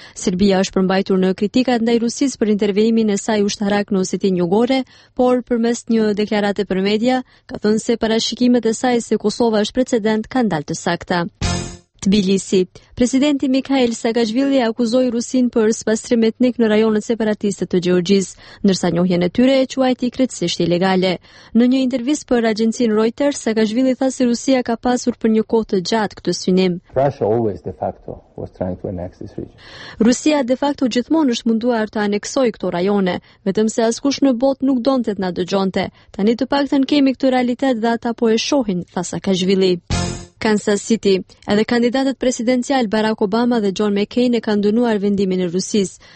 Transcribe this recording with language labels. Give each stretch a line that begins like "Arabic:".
Albanian: Serbia është përmbajtur në kritikat ndaj Rusisë për intervenimin e saj ushtarak në Osetinë Jugore, por përmes një deklarate për media ka thënë se parashikimet e saj se Kosova është precedent kanë dalë të sakta. Tbilisi. Presidenti Mikhail Saakashvili akuzoi Rusin për spastrim etnik në rajonet separatiste të Gjeorgjisë, ndërsa njohjen e tyre e quajti krejtësisht ilegale. Në një intervistë për agjencinë Reuters, Saakashvili tha se Rusia ka pasur për një kohë të gjatë këtë synim.
English: Russia always de facto was trying to annex this region.
Albanian: Rusia de facto gjithmonë është munduar të aneksojë këto rajone, vetëm se askush në botë nuk donte të na dëgjonte. Tani të paktën kemi këtë realitet dhe ata po e shohin, tha Saakashvili. Kansas City. Edhe kandidatët presidencial Barack Obama dhe John McCain e kanë dënuar vendimin e Rusisë.